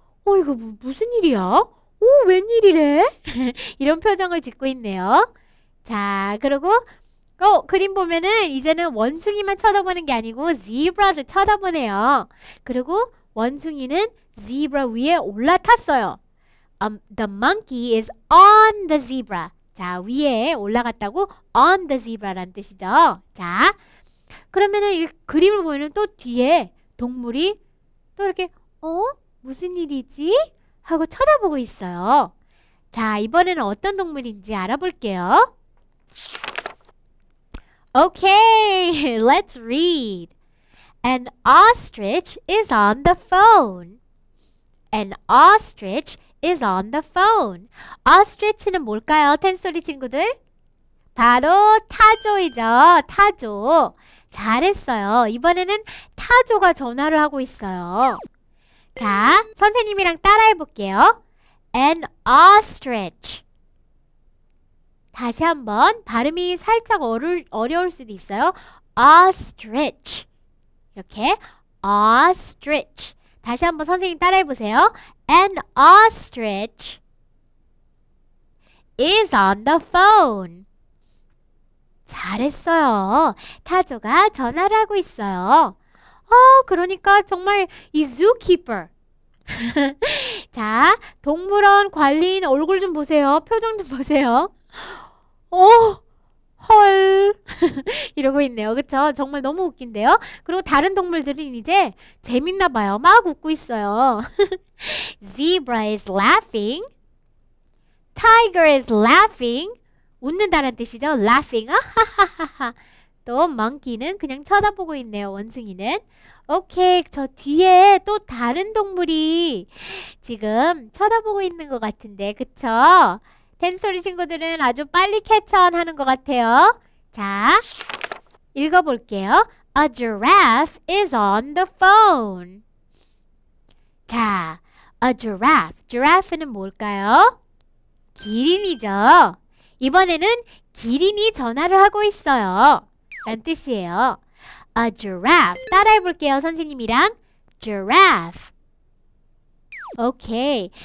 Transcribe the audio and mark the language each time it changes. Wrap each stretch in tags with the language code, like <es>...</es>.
<ko>오, 이거 무슨 일이야? 오, 웬일이래? 이런 표정을 짓고 있네요. 자, 그리고 그림 보면은 이제는 원숭이만 쳐다보는 게 아니고 zebra도 쳐다보네요. 그리고 원숭이는 zebra 위에 올라탔어요.</ko> <en>The monkey is on the zebra.</en> <ko>자, 위에 올라갔다고</ko> <en>on the zebra</en> <ko>란 뜻이죠. 자, 그러면은 이 그림을 보면은 또 뒤에 동물이 또 이렇게 무슨 일이지? 하고 쳐다보고 있어요. 자, 이번에는 어떤 동물인지 알아볼게요.</ko> <en>Okay, let's read. An ostrich is on the phone. An ostrich is on the phone.</en> <ko>Ostrich는 뭘까요, 텐소리 친구들? 바로 타조이죠, 타조. 잘했어요. 이번에는 타조가 전화를 하고 있어요. 자, 선생님이랑 따라해 볼게요.</ko> <en>An ostrich.</en> <ko>다시 한번 발음이 살짝 어려울 수도 있어요.</ko> <en>Ostrich.</en> <ko>이렇게</ko> <en>ostrich.</en> <ko>다시 한번 선생님 따라해 보세요.</ko> <en>An ostrich is on the phone.</en> <ko>잘했어요. 타조가 전화를 하고 있어요. 그러니까 정말 이 zookeeper. 자, 동물원 관리인 얼굴 좀 보세요. 표정 좀 보세요. 헐. 이러고 있네요. 그쵸? 정말 너무 웃긴데요. 그리고 다른 동물들은 이제 재밌나 봐요. 막 웃고 있어요.</ko> <en>Zebra is laughing. Tiger is laughing.</en> <ko>웃는다란 뜻이죠.</ko> <en>Laughing.</en> <ko>또 monkey는 그냥 쳐다보고 있네요. 원숭이는. 오케이. 저 뒤에 또 다른 동물이 지금 쳐다보고 있는 것 같은데. 그쵸? 텐소리 친구들은 아주 빨리 캐치온 하는 것 같아요. 자, 읽어볼게요.</ko> <en>A giraffe is on the phone. 자, a giraffe.</en> <ko>Giraffe는 뭘까요? 기린이죠. 이번에는 기린이 전화를 하고 있어요. 라는 뜻이에요.</ko> <en>A giraffe.</en> <ko>따라해볼게요, 선생님이랑. Giraffe. 오케이.</ko>